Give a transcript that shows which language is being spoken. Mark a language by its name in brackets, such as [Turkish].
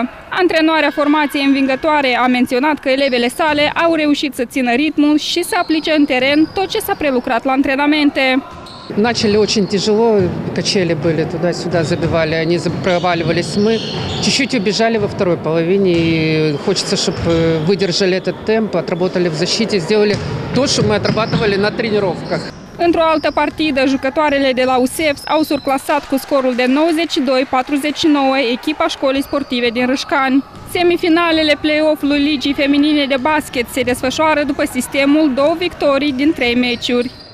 [Romanian] Antrenoarea formației învingătoare a menționat că elevele sale au reușit să țină ritmul și să aplice în teren tot ce s-a prelucrat la antrenamente. [Russian] Начали очень тяжело, качели были туда-сюда, забивали, они проваливались. Мы чуть-чуть убежали во второй половине, и хочется, чтобы выдержали этот темп, отработали в защите, сделали то, что мы отрабатывали на тренировках. [Romanian] Într-o altă partidă, jucătoarele de la USEF au surclasat cu scorul de 92-49 echipa școlii sportive din Râșcani. Semifinalele play-off-ului Ligii Feminine de Basket se desfășoară după sistemul 2 victorii din 3 meciuri.